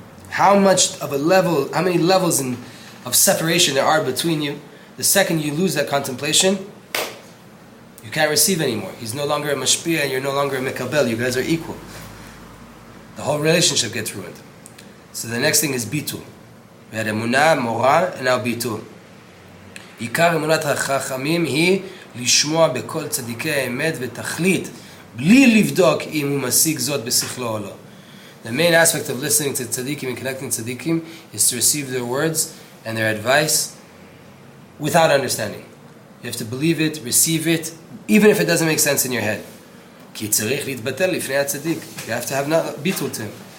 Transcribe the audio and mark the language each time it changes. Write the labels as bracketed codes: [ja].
[en] How much of a level, how many levels of separation there are between you. The second you lose that contemplation, you can't receive anymore. He's no longer a mashpia and you're no longer a mekabel. You guys are equal. The whole relationship gets ruined. So the next thing is bitul. We had emunah, morah, and now bitul. [he] עיקר אמונת החכמים היא לשמוע בכל צדיקי האמת ותחליט בלי לבדוק אם הוא משיג זאת בשכלו או לא. [en] The main aspect of listening to tzaddikim and connecting tzaddikim is to receive their words and their advice without understanding. You have to believe it, receive it, even if it doesn't make sense in your head. [he] Ki tzarich litbatel lifnei hatzaddik. [en] You have to have not bitul to him.